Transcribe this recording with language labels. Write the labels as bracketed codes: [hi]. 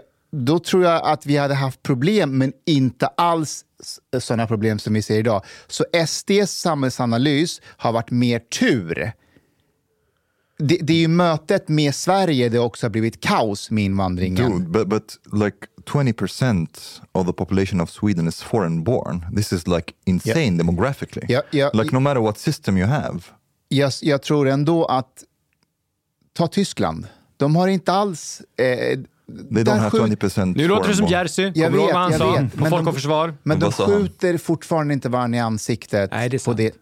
[sv] Då tror jag att vi hade haft problem, men inte alls sådana problem som vi ser idag. Så SDs samhällsanalys har varit mer tur. Det är ju mötet med Sverige det också har blivit kaos med invandringen. [en] Dude, but like 20% of the population of Sweden is foreign born. This is like insane, yeah, demographically. Yeah. Like no matter what system you have. [sv] Jag tror ändå att ta Tyskland. De har inte alls... [en] They don't have 20%. [sv] Nu låter det som Jersey. Jag vet, jag vet. Men folk har försvar. Men de skjuter fortfarande inte varandra i ansiktet. Nej, det